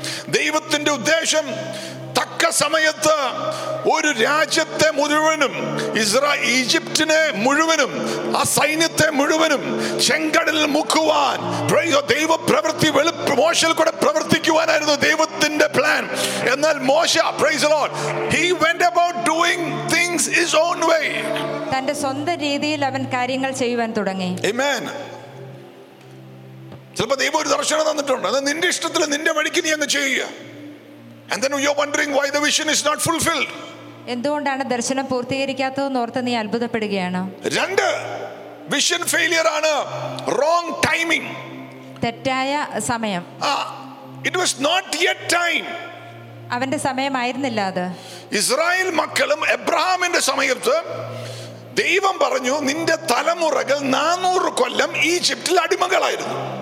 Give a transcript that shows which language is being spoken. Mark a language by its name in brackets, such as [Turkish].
[Malayalam] ദൈവത്തിന്റെ ഉദ്ദേശം തക്ക സമയത്ത് ഒരു രാജ്യത്തെ മുഴുവനും, ഈജിപ്റ്റിനെ മുഴുവനും, ആ സൈന്യത്തെ മുഴുവനും ചെങ്കടലിൽ മുക്കുവാൻ, ദൈവപ്രവൃത്തി മോശയിൽ കൂടെ പ്രവർത്തിക്കുവാനായിരുന്നു ദൈവത്തിന്റെ പ്ലാൻ. എന്നാൽ മോശ, [English] Praise the lord, he went about doing things his own way. [Malayalam] തന്റെ സ്വന്തം രീതിയിൽ അവൻ കാര്യങ്ങൾ ചെയ്യുവാൻ തുടങ്ങി. ആമേൻ. ചിലപ്പോ ദൈവം ഒരു ദർശനം തന്നിട്ടുണ്ട്, അത് നിന്റെ ഇഷ്ടത്തിൽ നിന്റെ വഴിക്ക് നീ അങ്ങ് ചെയ്യുക. [English] And then you're wondering why the vision is not fulfilled. [Malayalam] എന്തുകൊണ്ടാണ് ദർശനം പൂർത്തീകരിക്കാത്തത് എന്ന് ഓർത്ത് നീ അത്ഭുതപ്പെടുകയാണ്. [English] രണ്ട് vision failure ആണ്, wrong timing, [Malayalam] തെറ്റായ സമയം. [English] It was not yet time. [Malayalam] അവന്റെ സമയമായിരുന്നില്ല അത്. ഇസ്രായേൽ മക്കളും എബ്രഹാമിന്റെ സമയത്ത് ദൈവം പറഞ്ഞു, നിന്റെ തലമുറകൾ 400 കൊല്ലം ഈജിപ്തിൽ അടിമകളായിരുന്നു.